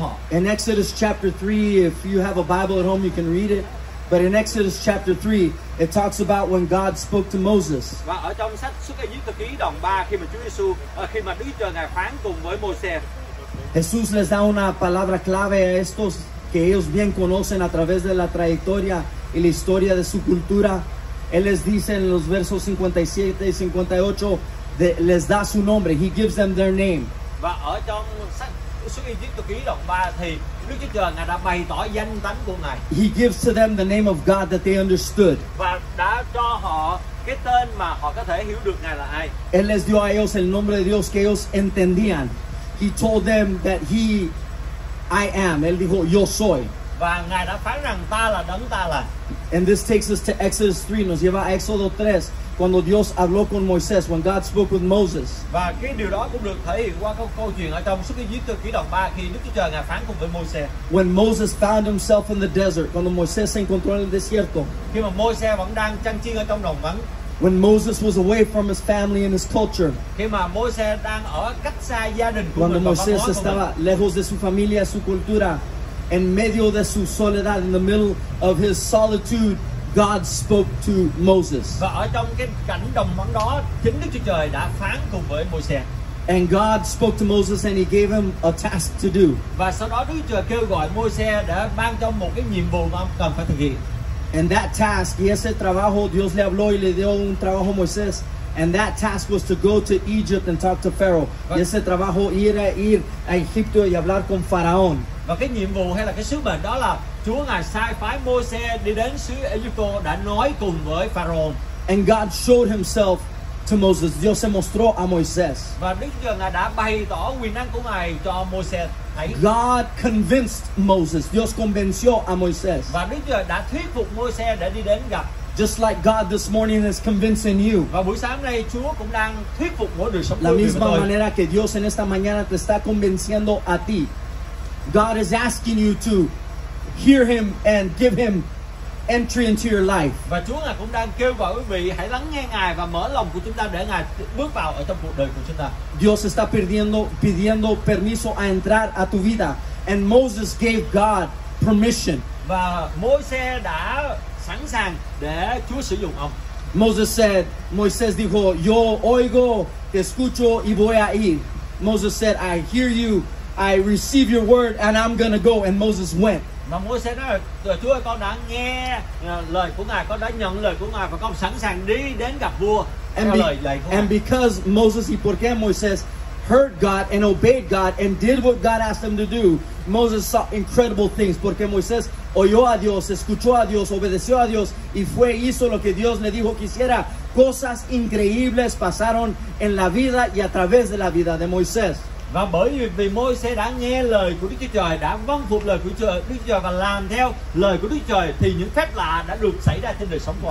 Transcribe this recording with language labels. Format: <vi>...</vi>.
<en>In Exodus chapter 3, if you have a Bible at home, you can read it. But in Exodus chapter 3, it talks about when God spoke to Moses.</en> <vi>Và ở trong sách Xuất Ai Cập ký đoạn 3, khi mà Chúa Giêsu khi mà Đức Chúa Ngài phán cùng với Moses.</vi> <es>Jesús les da una palabra clave a estos que ellos bien conocen a través de la trayectoria y la historia de su cultura. Él les dice en los versos 57 y 58, les da su nombre.</es> <en>He gives them their name.</en> <vi>Và ở trong sách Xuất Ai Cập ký đoạn 3 thì Đức Chúa Trời ngài đã bày tỏ danh tánh của ngài.</vi> <en>He gives to them the name of God that they understood.</en> <vi>Và đã cho họ cái tên mà họ có thể hiểu được ngài là ai.</vi> <es>Él les dio a ellos el nombre de Dios que ellos entendían.</es> <en>He told them that he I am.</en> <es>Él dijo yo soy.</es> <vi>Và Ngài đã phán rằng ta là đấng ta là.</vi> <en>And this takes us to Exodus 3,</en> <es>nos lleva a Éxodo 3, cuando Dios habló con Moisés,</es> <en>when God spoke with Moses.</en> <vi>Và cái điều đó cũng được thể hiện qua câu chuyện ở trong Xuất Ký Thứ 3 khi Đức Chúa Trời Ngài phán cùng với Moses.</vi> <en>When Moses found himself in the desert,</en> <es>cuando Moisés se encontró en el desierto.</es> <vi>Khi mà Moses vẫn đang chăn chiên ở trong đồng vắng.</vi> <en>When Moses was away from his family and his culture.</en> <vi>Khi mà Moses đang ở cách xa gia đình của</vi> <es>cuando Moisés estaba lejos de su familia, su cultura. En medio de su soledad,</es> <en>in the middle of his solitude, God spoke to Moses.</en> <vi>Và ở trong cái cảnh đồng vắng đó, chính Đức Chúa Trời đã phán cùng với Moses.</vi> <en>And God spoke to Moses and he gave him a task to do.</en> <vi>Và sau đó Đức Chúa Trời kêu gọi Moses đã ban cho một cái nhiệm vụ mà ông cần phải thực hiện.</vi> <en>And that task,</en> <es>y ese trabajo, Dios le habló y le dio un trabajo a Moisés.</es> <en>And that task was to go to Egypt and talk to Pharaoh.</en> <es>Y ese trabajo era ir a Egipto y hablar con Faraón.</es> <vi>Và cái nhiệm vụ hay là cái sứ mệnh đó là Chúa Ngài sai phái Moses đi đến xứ Egypto đã nói cùng với Pharaoh.</vi> <en>And God showed himself to Moses.</en> <es>Dios se mostró a Moisés.</es> <vi>Và Đức Chúa Trời Ngài đã bày tỏ quyền năng của Ngài cho Moses thấy.</vi> <en>God convinced Moses.</en> <es>Dios convenció a Moisés.</es> <vi>Và Đức Chúa Trời đã thuyết phục Moses để đi đến gặp.</vi> <en>Just like God this morning is convincing you.</en> <vi>Và buổi sáng nay Chúa cũng đang thuyết phục mỗi đời sống của chúng ta.</vi> <es>La misma manera que Dios en esta mañana te está convenciendo a ti.</es> <en>God is asking you to hear him and give him entry into your life.</en> <vi>Và Chúa Ngài cũng đang kêu gọi quý vị hãy lắng nghe Ngài và mở lòng của chúng ta để Ngài bước vào ở trong cuộc đời của chúng ta.</vi> <es>Dios está pidiendo permiso a entrar a tu vida.</es> <en>And Moses gave God permission.</en> <vi>Và Moses đã sẵn sàng để Chúa sử dụng ông.</vi> <en>Moses said,</en> <es>Moisés dijo, yo oigo, te escucho y voy a ir.</es> <en>Moses said, I hear you. I receive your word and I'm going to go. And Moses went.</en> <vi>Mà Moses nói, Chúa ơi, con đã nghe lời của Ngài, con đã nhận lời của Ngài và con sẵn sàng đi đến gặp vua.</vi> <en>And because Moses,</en> <es>y porque</es> <en>Moses heard God and obeyed God and did what God asked him to do, Moses saw incredible things.</en> <es>Porque Moisés oyó a Dios, escuchó a Dios, obedeció a Dios y fue hizo lo que Dios le dijo que hiciera. Cosas increíbles pasaron en la vida y a través de la vida de Moisés.</es> <vi>Và bởi vì Môi-se đã nghe lời của Đức Chúa Trời, đã vâng phục lời của Đức Chúa Trời và làm theo lời của Đức Chúa Trời thì những phép lạ đã được xảy ra trên đời sống của.</vi>